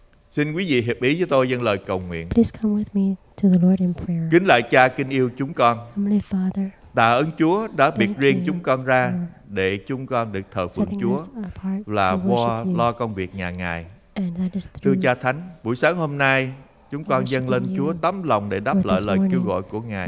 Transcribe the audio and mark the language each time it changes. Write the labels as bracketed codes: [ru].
[vi] Xin quý vị hiệp ý với tôi dâng lời cầu nguyện. [en] Please come with me to the Lord in prayer. [vi] Kính lạy Cha, kính yêu chúng con. [en] Heavenly Father. [vi] Tạ ơn Chúa đã biệt riêng chúng con ra để chúng con được thờ phượng Chúa, là qua lo công việc nhà Ngài. Thưa Cha Thánh, buổi sáng hôm nay chúng con dâng lên Chúa tấm lòng để đáp lại lời kêu gọi của Ngài.